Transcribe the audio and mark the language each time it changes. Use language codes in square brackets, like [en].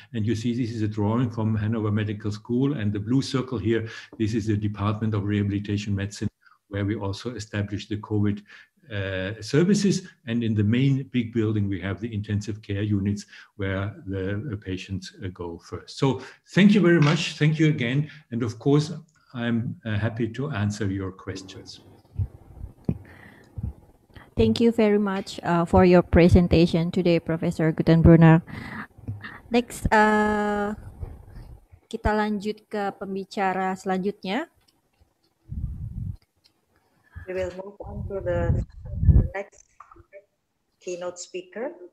[en] And you see, this is a drawing from Hanover Medical School, and the blue circle here, this is the Department of Rehabilitation Medicine, where we also established the COVID services, and in the main big building we have the intensive care units where the patients go first. So thank you very much, thank you again, and of course I'm happy to answer your questions. Thank you very much for your presentation today, Professor Guttenbrunner. [id] Next, kita lanjut ke pembicara selanjutnya. [en] We will move on to the next keynote speaker.